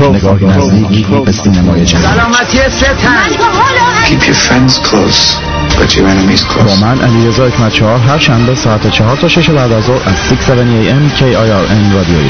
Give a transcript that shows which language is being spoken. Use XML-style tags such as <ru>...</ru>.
<fa>نگاهی نزدیک به سینمای جهان. سلامتی ستن.</fa> <en>Keep your friends close, but your enemies close.</en> <fa>با من علیرضا حکمت‌چهار هر شنبه ساعت 4 تا 6 بعد از ظهر از 670 AM KIRN رادیویی.</fa>